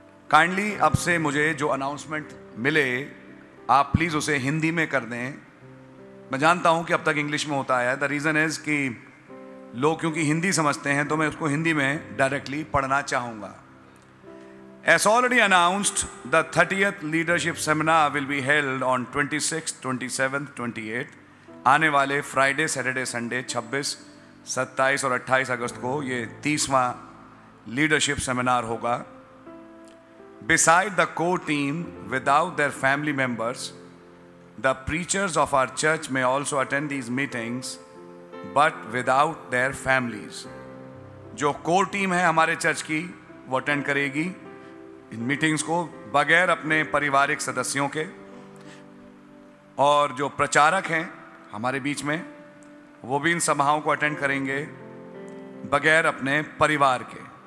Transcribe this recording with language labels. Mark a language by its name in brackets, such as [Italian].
[Hindi] Kindly अब से मुझे जो अनाउंसमेंट मिले आप प्लीज उसे हिंदी में कर दें। मैं जानता हूं कि अब तक इंग्लिश में होता आया, [English] the reason is [Hindi] कि लोग क्योंकि हिंदी समझते हैं, तो मैं उसको हिंदी में डायरेक्टली पढ़ना चाहूंगा। [English] As already announced, the 30th leadership seminar will be held on 26th, 27th, 28th, [Hindi] आने वाले फ्राइडे, सैटरडे, संडे 26, 27 और 28 अगस्त को ये 30वां लीडरशिप सेमिनार होगा। [English] Beside the core team, without their family members, the preachers of our church may also attend these meetings but without their families. [Hindi] जो core team है हमारे church की वो अटेंड करेगी इन मीटिंग्स को बगैर अपने पारिवारिक सदस्यों के, और जो प्रचारक हैं हमारे बीच में वो भी इन सभाओं को अटेंड करेंगे बगैर अपने परिवार के।